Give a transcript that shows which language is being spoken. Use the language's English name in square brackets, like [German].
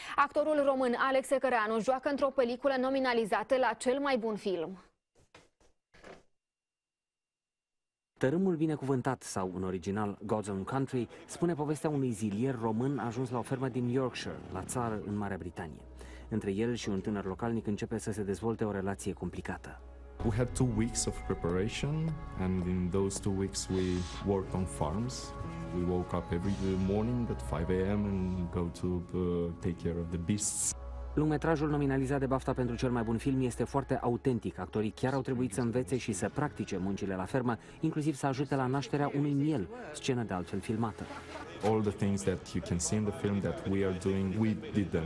[Romanian] Actorul român Alex Ecăreanu joacă într-o peliculă nominalizată la cel mai bun film. Tărâmul binecuvântat, sau în original God's Own Country, spune povestea unui zilier român ajuns la o fermă din Yorkshire, la țară, în Marea Britanie. Între el și un tânăr localnic începe să se dezvolte o relație complicată. [English] We had 2 weeks of preparation, and in those 2 weeks we worked on farms. We woke up every morning at 5 a.m. and go to take care of the beasts. [Romanian] Lungmetrajul nominalizat de BAFTA pentru cel mai bun film este foarte autentic. Actorii chiar au trebuit să învețe și să practice muncile la fermă, inclusiv să ajute la nașterea unui miel, scenă de altfel filmată. [English] All the things that you can see in the film that we are doing, we did them.